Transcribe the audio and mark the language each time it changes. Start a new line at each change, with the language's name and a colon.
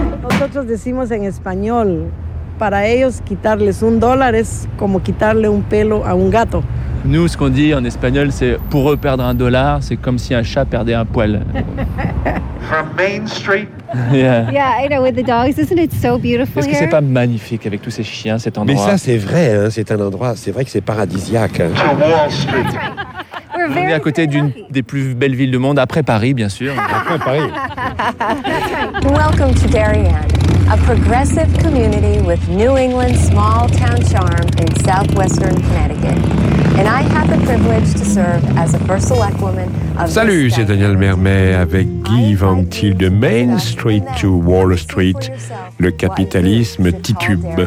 Spanish: Nosotros decimos en español, para ellos quitarles un dólar es como quitarle un pelo a un gato.
French: Nous, ce qu'on dit en espagnol, c'est pour eux perdre un dollar, c'est comme si un chat perdait un poil.
English: From Main Street. Yeah. Yeah, I know, with the dogs, isn't it so beautiful here?
French: Est-ce que c'est pas magnifique avec tous ces chiens, cet endroit? Mais ça, c'est vrai, hein, c'est un endroit, c'est vrai que c'est paradisiaque.
English: To Wall Street.
French: On est à côté d'une des plus belles villes du monde, après Paris, bien sûr. Après Paris.
English: Welcome to Darien, a progressive community with New England small town charm in southwestern Connecticut. And I have the privilege to serve as a first elect woman of.
French: Salut, c'est Daniel Mermet avec Guy Van-Til de Main Street to Wall Street, le capitalisme titube.